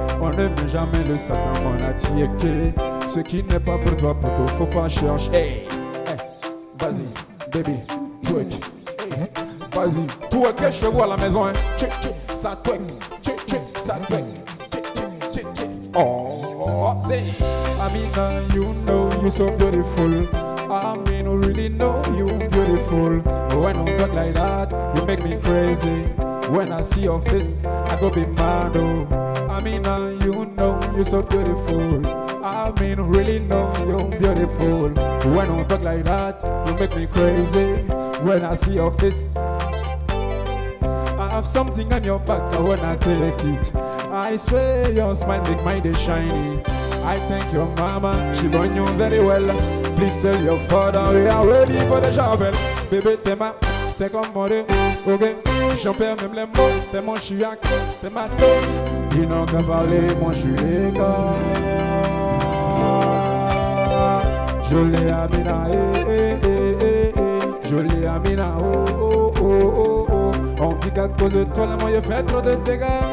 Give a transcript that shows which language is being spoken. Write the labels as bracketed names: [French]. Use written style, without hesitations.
[French] On ne met jamais le sable dans mon attiqué. Ce qui n'est pas pour toi, poto, faut pas chercher. Hey, hey, vas-y, baby, twerk. Vas-y, twerk chez vous à la maison, hein. Tchè, tchè, ça twerk, tchè, tchè, ça twerk, tchè, tchè, tchè, tchè. Oh, c'est [English] Amina, you know you're so beautiful. Amina, really know you beautiful. When I talk like that, you make me crazy. When I see your face, I go be mad, oh. Amina, you know you're so beautiful. I mean, really know you're beautiful. When I talk like that, you make me crazy. When I see your face, I have something on your back, I wanna take it. I swear your smile make my day shiny. I thank your mama, she born you very well. Please tell your father we are ready for the shovel. [French] Baby, t'es ma, t'es comme moi, ok. J'en perds même les mots, t'es mon chiac, t'es ma tête. Ils n'ont qu'à parler, moi je suis les gars. Jolie Amina, eh eh eh eh eh. Jolie Amina, oh oh oh oh oh. On dit qu'à cause de toi là, moi je fais trop de dégâts.